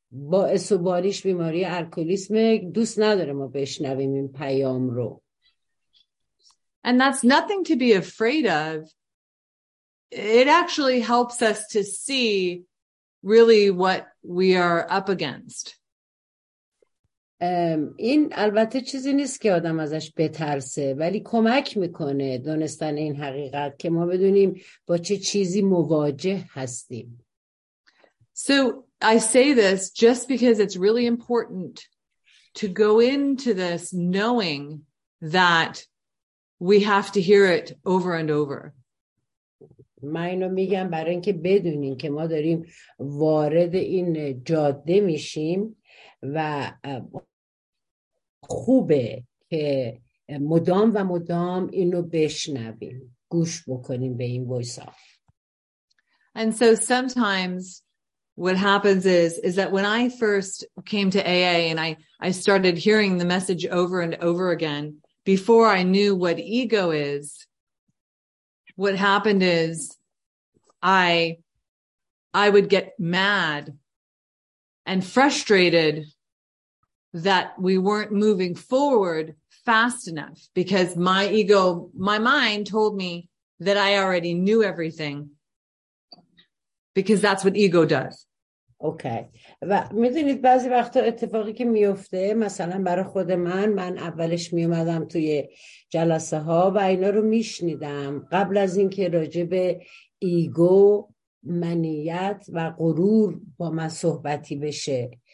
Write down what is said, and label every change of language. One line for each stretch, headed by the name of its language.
Persian: باعث و بانیش بیماری الکلیسم دوست نداره ما بشنویم این پیام رو.
English: And that's nothing to be afraid of. It actually helps us to see really what we are up against.
Persian: این البته چیزی نیست که آدم ازش بترسه، ولی کمک میکنه دونستن این حقیقت که ما بدونیم با چه چیزی مواجه هستیم.
English: So I say this just because it's really important to go into this knowing that we have to hear it over and over.
Persian: من اینو میگم برای اینکه بدونیم که ما داریم وارد این جاده میشیم و خوبه که مدام و مدام اینو بشنویم، گوش بکنیم به این ویسا.
English: And so sometimes what happens is that when I first came to AA and I started hearing the message over and over again before I knew what ego is, what happened is I would get mad and frustrated that we weren't moving forward fast enough because my ego, my mind told me that I already knew everything because that's what ego does. Okay.
Persian: و میدونید بعضی وقتا اتفاقی که میفته، مثلا برای خود من، من اولش میومدم توی جلسه ها و اینا رو میشنیدم قبل از اینکه راجع به ایگو، منیت و غرور با من صحبتی بشه.